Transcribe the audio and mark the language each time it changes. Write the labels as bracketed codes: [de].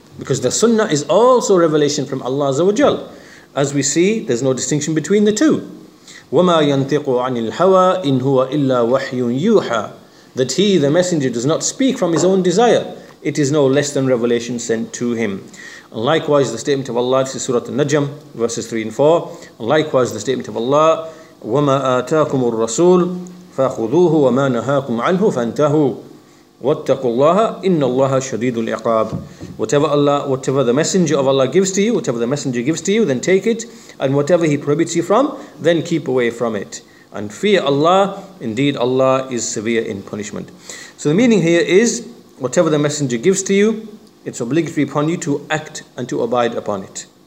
[en] Because the sunnah is also revelation from Allah Azza wa Jal. As we see, there's no distinction between the two. [ar] وَمَا يَنْتِقُ عَنِ الْهَوَىٰ إِنْ هُوَ إِلَّا وَحْيٌ يُوحَىٰ. [en] That he, the messenger, does not speak from his own desire. It is no less than revelation sent to him. And likewise, the statement of Allah, this is Surah Al-Najm, verses 3 and 4. And likewise, the statement of Allah, [ar] وَمَا آتَاكُمُ الرَّسُولُ فَأَخُذُوهُ وَمَا نَهَاكُمْ عَنْهُ فَانْتَهُوا وَاتَّقُوا اللَّهَ إِنَّ اللَّهَ شَدِيدُ الْعِقَابِ. [en] Whatever the messenger of Allah gives to you, whatever the messenger gives to you, then take it. And whatever he prohibits you from, then keep away from it. And fear Allah, indeed Allah is severe in punishment. So the meaning here is, whatever the messenger gives to you, it's obligatory upon you to act and to abide upon it.